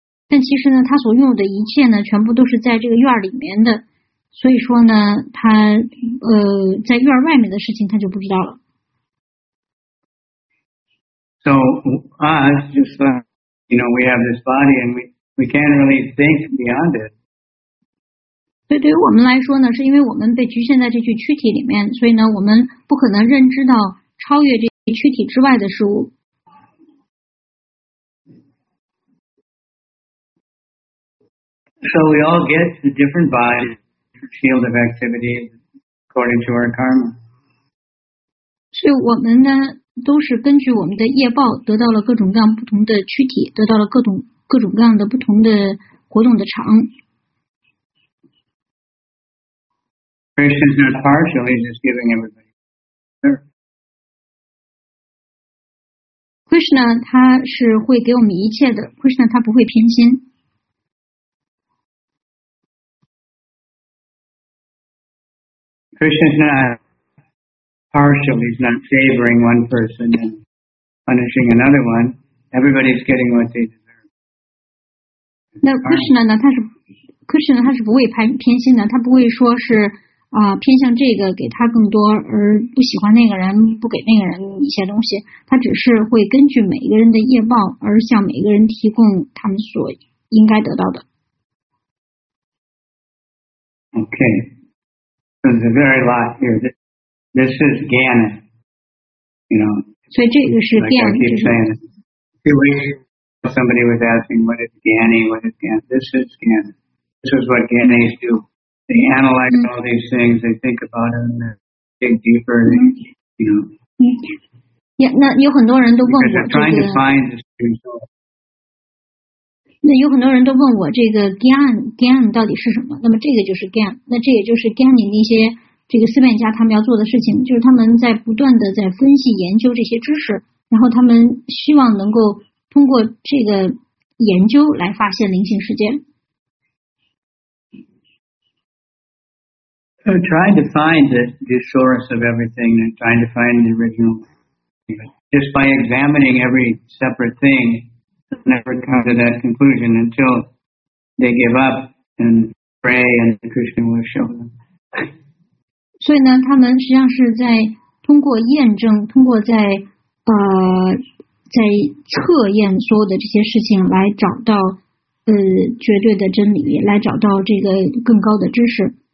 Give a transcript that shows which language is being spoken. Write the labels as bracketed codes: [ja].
[zh] 但其实呢，他所拥有的一切呢，全部都是在这个院里面的，所以说呢，他在院外面的事情他就不知道了。 [en] So us, just you know, we have this body and we can't really think beyond it. [zh] 对，对于我们来说呢，是因为我们被局限在这具躯体里面，所以呢，我们不可能认知到超越这躯体之外的事物。 [en] So we all get a different body, field of activity according to our karma. [zh] 所以我们呢，都是根据我们的业报得到了各种各样不同的躯体，得到了各种各样的不同的活动的场。 [en] Krishna's not partial, he's just giving everybody. [zh] Krishna 他是会给我们一切的， Krishna 他不会偏心。 [en] Krishna's not partial. He's not favoring one person and punishing another one. Everybody's getting what they deserve. No, Krishna, [zh] Krishna 他是不会偏心的，他不会说是偏向这个给他更多，而不喜欢那个人，不给那个人一些东西。他只是会根据每一个人的业报而向每一个人提供他们所应该得到的。 [en] Okay, so the very last here, this is Ganon, you know. Like I keep saying, somebody was asking, what is Ganon? What is Ganon? This is Ganon. This is what Ganons do. They analyze all these things, they think about them, they dig deeper, they, you know. [zh] Yeah, 那有很多人都问我这个。 [en] Because they're trying to find the spiritual. [zh] 那有很多人都问我这个 Gyan 到底是什么，那么这个就是 Gyan， 那这也就是 Gyan 里那些这个思辨家他们要做的事情，就是他们在不断的在分析研究这些知识，然后他们希望能够通过这个研究来发现灵性世界。 [en] So trying to find the source of everything and trying to find the original, just by examining every separate thingNever come to that conclusion until they give up and pray, and Krishna will show them. [zh] 所以呢，他们实际上是在通过验证，通过在测验所有的这些事情，来找到绝对的真理，来找到这个更高的知识。